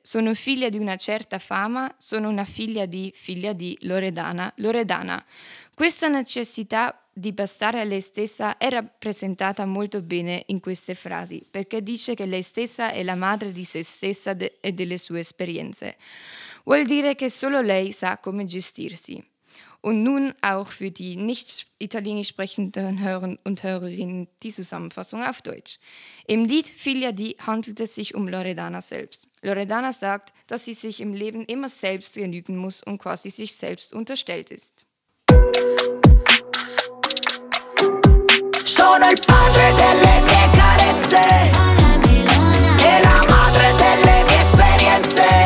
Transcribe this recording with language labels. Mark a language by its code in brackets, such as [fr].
[it] Sono figlia di una certa fama, sono una figlia di Loredana, Loredana». Questa necessità di bastare a lei stessa è rappresentata molto bene in queste frasi, perché dice che lei stessa è la madre di se stessa e delle sue esperienze. Vuol dire che solo lei sa come gestirsi. [de] Und nun auch für die nicht italienisch sprechenden Hörer und Hörerinnen die Zusammenfassung auf Deutsch. Im Lied Figlia di handelt es sich um Loredana selbst. Loredana sagt, dass sie sich im Leben immer selbst genügen muss und quasi sich selbst unterstellt ist. [it] Sono il padre delle mie carezze e la madre delle mie esperienze.